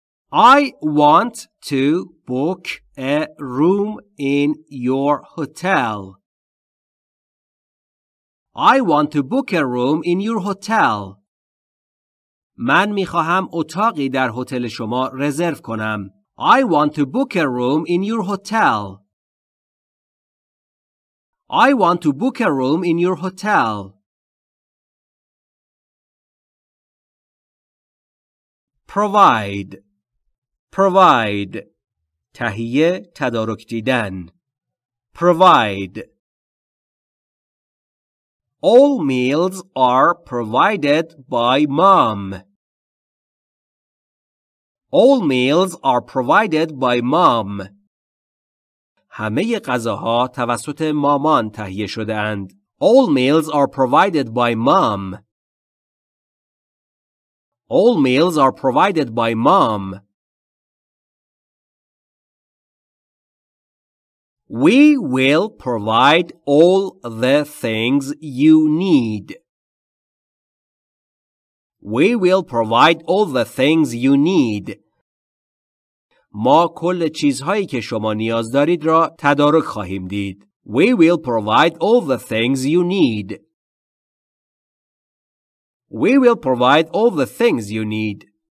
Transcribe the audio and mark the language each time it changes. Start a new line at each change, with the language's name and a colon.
English: I want to book a room in your hotel. I want to book a room in your hotel.
Persian: من میخواهم اتاقی در هتل شما رزرو کنم.
English: I want to book a room in your hotel. I want to book a room in your hotel. Provide. Provide.
Persian: تهیه، تدارک دیدن.
English: Provide. All meals are provided by mom. All meals are provided by mom.
Persian: همه غذاها توسط مامان تهیه شده اند.
English: All meals are provided by mom. All meals are provided by mom. We will provide all the things you need. We will provide all the things you need.
Persian: ما کل چیزهایی که شما نیاز دارید را تدارک خواهیم دید.
English: We will provide all the things you need. We will provide all the things you need.